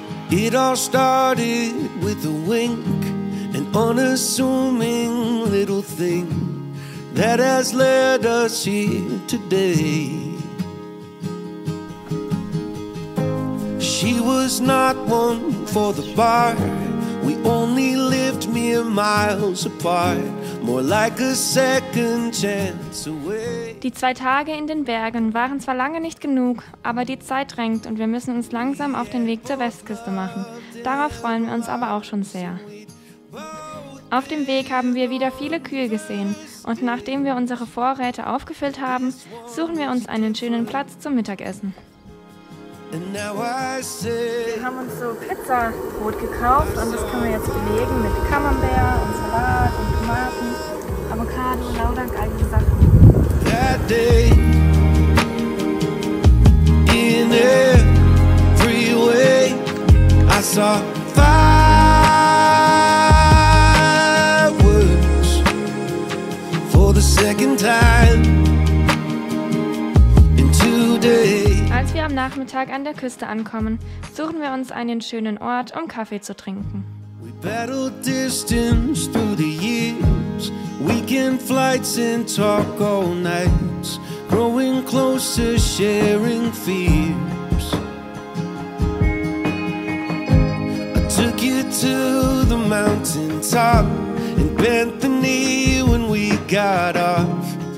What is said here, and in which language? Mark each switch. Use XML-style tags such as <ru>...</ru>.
<en>It all started with a wink, an unassuming little thing that has led us here today. She was not one for the bar. We only lived mere miles apart. More like a second chance away.</en> <de>Die zwei Tage in den Bergen waren zwar lange nicht genug, aber die Zeit drängt und wir müssen uns langsam auf den Weg zur Westküste machen. Darauf freuen wir uns aber auch schon sehr. Auf dem Weg haben wir wieder viele Kühe gesehen und nachdem wir unsere Vorräte aufgefüllt haben, suchen wir uns einen schönen Platz zum Mittagessen. Wir haben uns so Pizzabrot gekauft und das können wir jetzt belegen mit Camembert und Salat und Tomaten, Avocado, Laudank, all diese Sachen.</de> <en>That day in a freeway I saw fireworks for the second time in two days.</en> <de>Als wir am Nachmittag an der Küste ankommen, suchen wir uns einen schönen Ort, um Kaffee zu trinken.</de> <en>We battled distance through the years. Weekend flights and talk all night. Growing closer, sharing fears. I took you to the mountaintop and bent the knee when we got off.</en>